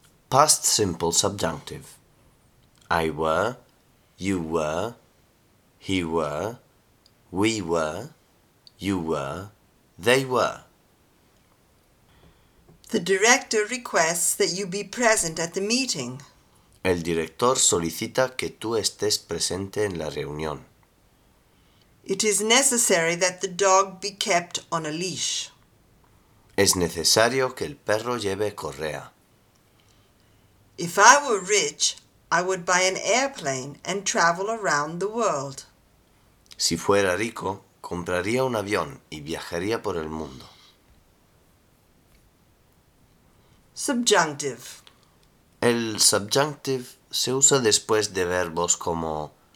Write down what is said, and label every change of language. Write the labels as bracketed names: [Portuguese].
[English] Past simple, subjunctive. I were, you were, he were, we were, you were, they were. The director requests that you be present at the meeting. [Spanish] El director solicita que tú estés presente en la reunión. [English] It is necessary that the dog be kept on a leash. [Spanish] Es necesario que el perro lleve correa. [English] If I were rich, I would buy an airplane and travel around the world. [Spanish] Si fuera rico, compraría un avión y viajaría por el mundo. [English] Subjunctive. [Spanish] El subjunctive se usa después de verbos como